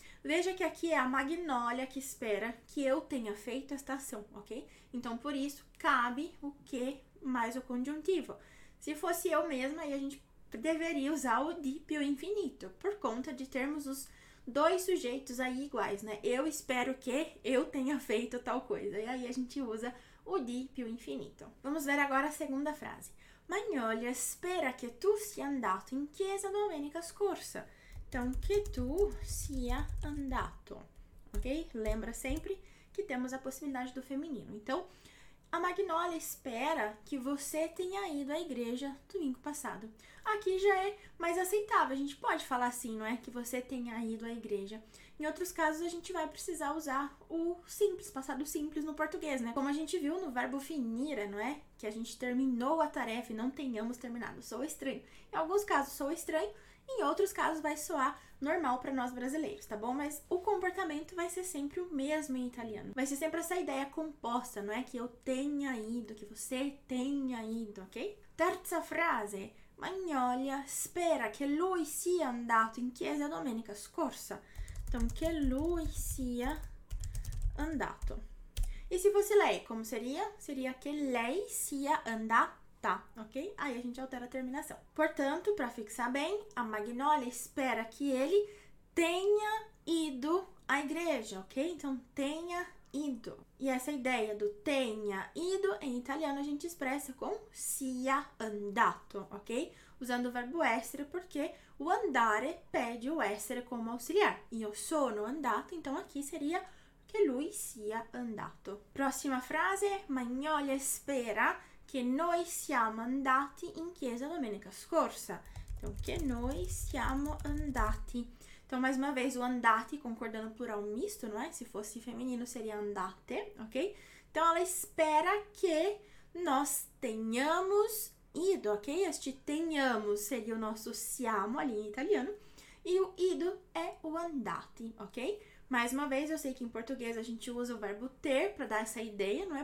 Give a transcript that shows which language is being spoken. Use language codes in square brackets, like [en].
[pt] Veja que aqui é a Magnólia que espera que eu tenha feito esta ação, ok? Então, por isso, cabe o que mais o conjuntivo. Se fosse eu mesma, aí a gente deveria usar o di più infinito, por conta de termos os dois sujeitos aí iguais, né? Eu espero que eu tenha feito tal coisa. E aí a gente usa o di più infinito. Vamos ver agora a segunda frase. Magnolia espera que [it] tu sia andato in chiesa domenica scorsa. [pt] Então, que [it] tu sia andato. [pt] Ok? Lembra sempre que temos a possibilidade do feminino. Então, a Magnólia espera que você tenha ido à igreja domingo passado. Aqui já é mais aceitável, a gente pode falar assim, não é? Que você tenha ido à igreja. Em outros casos, a gente vai precisar usar o simples, passado simples no português, né? Como a gente viu no verbo finire, não é? Que a gente terminou a tarefa e não tenhamos terminado. Soa estranho. Em alguns casos, soa estranho. Em outros casos, vai soar normal para nós brasileiros, tá bom? Mas o comportamento vai ser sempre o mesmo em italiano. Vai ser sempre essa ideia composta, não é? Que eu tenha ido, que você tenha ido, ok? [it] Terza frase. Magnolia spera che lui sia andato in chiesa domenica scorsa. [pt] Então, [it] che lui sia andato. [pt] E se fosse lei, como seria? Seria [it] che lei sia andata. [pt] Tá, ok? Aí a gente altera a terminação. Portanto, para fixar bem, a Magnólia espera que ele tenha ido à igreja, ok? Então, tenha ido. E essa ideia do tenha ido, em italiano, a gente expressa com [it] sia andato, [pt] ok? Usando o verbo essere, porque o andare pede o essere como auxiliar. [it] Io sono andato, [pt] então aqui seria [it] che lui sia andato. Prossima frase, Magnólia [pt] espera [it] che noi siamo andati in chiesa domenica scorsa. [pt] Então, [it] che noi siamo andati. [pt] Então, mais uma vez, o andati concordando plural misto, não é? Se fosse feminino, seria andate, ok? Então, ela espera que nós tenhamos ido, ok? Este tenhamos seria o nosso siamo ali em italiano. E o ido é o andati, ok? Mais uma vez, eu sei que em português a gente usa o verbo ter para dar essa ideia, não é?